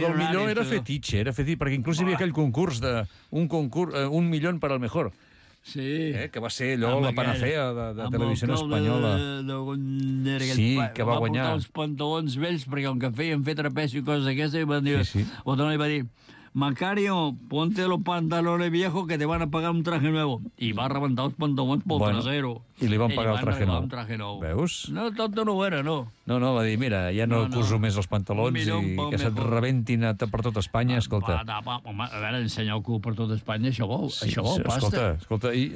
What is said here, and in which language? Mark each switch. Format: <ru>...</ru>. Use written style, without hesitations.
<ca>del milió era fetitxe, era fetitxe, perquè inclús hi havia aquell concurs de un milió per al millor. Sí. Que va ser allò, amb la panacea de Televisió Espanyola. Sí, que va guanyar. Va portar els pantalons vells, perquè com que feien fer trapeci i coses d'aquestes, i van dir... O també va dir...</ca> <es>Macario, ponte los pantalones viejos que te van a pagar un traje nuevo.</es> <ca>I va rebentar els pantalons pel trasero. I li van pagar el traje nou. Veus? No, tot no ho era, no. No, no, va dir, mira, ja no coso més els pantalons i que se't rebentin per tot Espanya, escolta. A veure, ensenyar el cul per tot Espanya, això vol, això vol, pasta. Escolta, escolta, i...</ca>